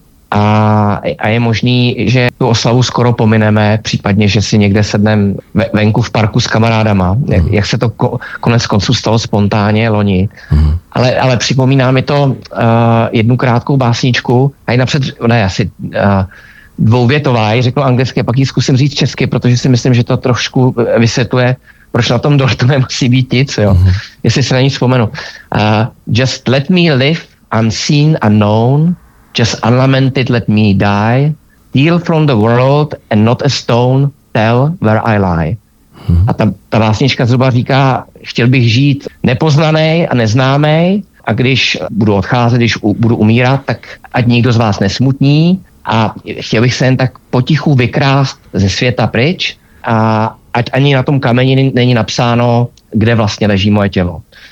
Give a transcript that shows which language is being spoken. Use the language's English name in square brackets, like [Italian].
[Czech] A je možný, že tu oslavu skoro pomineme, případně, že si někde sedneme venku v parku s kamarádama, jak se to konec konců stalo spontánně loni. Ale připomíná mi to jednu krátkou básničku, a i napřed, ne, asi dvouvětová, řeknu anglicky, pak ji zkusím říct česky, protože si myslím, že to trošku vysvětluje proč na tom dortu nemusí být nic, jo? Mm-hmm. Jestli se na ní vzpomenu. [English] Just let me live unseen, unknown, just unlamented let me die, deal from the world and not a stone, tell where I lie. [Czech] Mm-hmm. A ta básnička zhruba říká, chtěl bych žít nepoznaný a neznámý, a když budu odcházet, když budu umírat, tak ať nikdo z vás nesmutní, a chtěl bych se jen tak potichu vykrást ze světa pryč, a ať ani na tom kameni není napsáno, kde vlastně leží moje tělo.